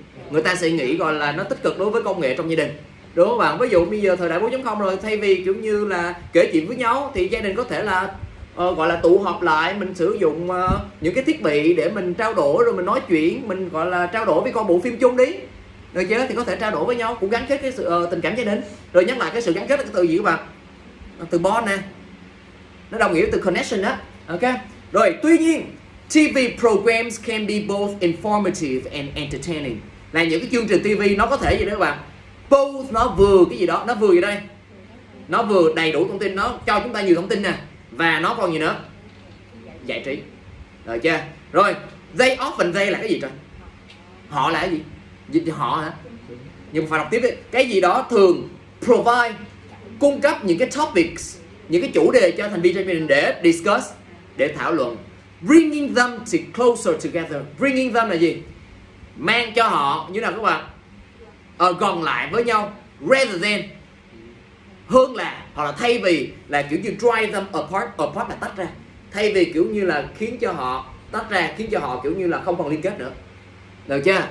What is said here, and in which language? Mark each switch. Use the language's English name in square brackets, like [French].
[Vietnamese] Người ta sẽ nghĩ gọi là nó tích cực đối với công nghệ trong gia đình. Đúng không bạn? Ví dụ bây giờ thời đại 4.0 rồi, thay vì kiểu như là kể chuyện với nhau thì gia đình có thể là gọi là tụ họp lại, mình sử dụng những cái thiết bị để mình trao đổi, rồi mình nói chuyện, mình gọi là trao đổi với con bộ phim chung đi. Rồi chứ thì có thể trao đổi với nhau, cũng gắn kết cái sự tình cảm gia đình. Rồi nhắc lại cái sự gắn kết là từ gì các bạn? Từ bond nè. Nó đồng nghĩa từ connection á. Ok. Rồi, tuy nhiên [English] TV programs can be both informative and entertaining. [Vietnamese] Là những cái chương trình TV nó có thể gì đó các bạn? Both, nó vừa cái gì đó, nó vừa gì đây? Nó vừa đầy đủ thông tin, nó cho chúng ta nhiều thông tin nè. Và nó còn gì nữa? Giải trí. Rồi chưa? Rồi, [English] they often, they [Vietnamese] là cái gì trời? Họ là cái gì? Dịch họ hả? Nhưng mà phải đọc tiếp đi. Cái gì đó thường provide, cung cấp những cái topics, những cái chủ đề cho thành viên trong gia đình để discuss, để thảo luận. [English] Bringing them to closer together. Bringing them [Vietnamese] là gì? Mang cho họ như nào các bạn? Gần lại với nhau. [English] Rather than, [Vietnamese] hơn là, hoặc là thay vì là kiểu như [English] drive them apart. [Vietnamese] Apart là tách ra. Thay vì kiểu như là khiến cho họ tách ra, khiến cho họ kiểu như là không còn liên kết nữa. Được chưa?